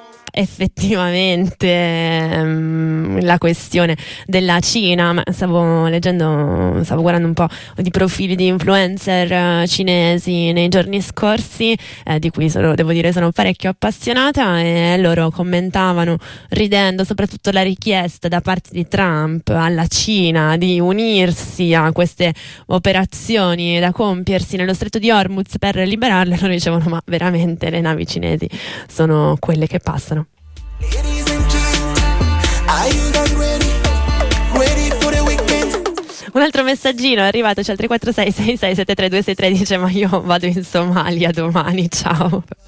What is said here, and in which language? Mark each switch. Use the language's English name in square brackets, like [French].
[Italian] Effettivamente la questione della Cina, stavo guardando un po' di profili di influencer cinesi nei giorni scorsi, di cui devo dire sono parecchio appassionata, e loro commentavano ridendo soprattutto la richiesta da parte di Trump alla Cina di unirsi a queste operazioni da compiersi nello stretto di Hormuz per liberarle. Loro dicevano: ma veramente le navi cinesi sono quelle che passano? [English] Ladies and gentlemen, are you guys ready? Ready for the weekend? [Italian] Un altro messaggino è arrivato, c'è al 3466673263, dice: ma io vado in Somalia domani, ciao.